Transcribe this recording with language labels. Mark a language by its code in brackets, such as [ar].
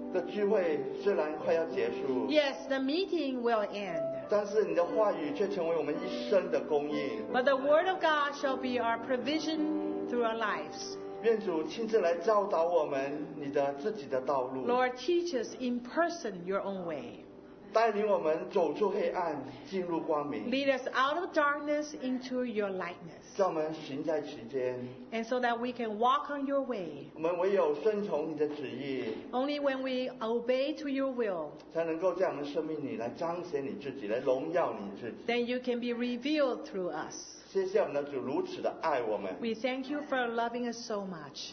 [zh] 主，早间的聚会虽然快要结束。 [en] Yes, the meeting will end. [zh] 但是你的话语却成为我们一生的供应。 [en] But the word of God shall be our provision through our lives. [zh] 愿主亲自来教导我们你的自己的道路。 [en] Lord, teach us in person your own way. [zh] 带领我们走出黑暗，进入光明。 [en] Lead us out of darkness into your lightness. [zh] 叫我们行在其间。 [en] And so that we can walk on your way. [zh] 我们唯有顺从你的旨意。 [en] Only when we obey to your will. [zh] 才能够在我们生命里来彰显你自己，来荣耀你自己。 [en] Then you can be revealed through us. [zh] 谢谢我们的主如此的爱我们。 [en] We thank you for loving us so much.